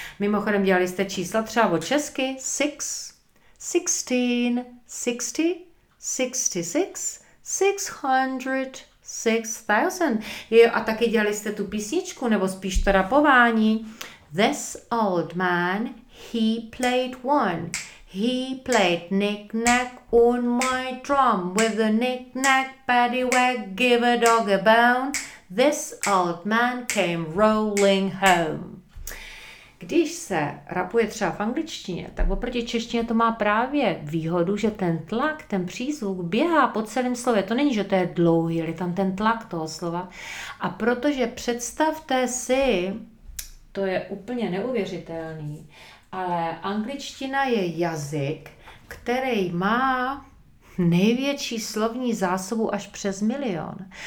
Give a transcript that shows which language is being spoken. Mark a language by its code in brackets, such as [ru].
[cs] Mimochodem, dělali jste čísla třeba od česky, 6, 16, 60, 66, 600, 6,000. Jo, a taky dělali jste tu písničku, nebo spíš to rapování. [en] This old man, he played one. He played knick-knack on my drum. With a knick-knack, paddywhack, give a dog a bone. This old man came rolling home. [cs] Když se rapuje třeba v angličtině, tak oproti češtině to má právě výhodu, že ten tlak, ten přízvuk běhá po celém slově. To není, že to je dlouhý, ale tam ten tlak toho slova. A protože představte si, to je úplně neuvěřitelný, ale angličtina je jazyk, který má největší slovní zásobu až přes milion.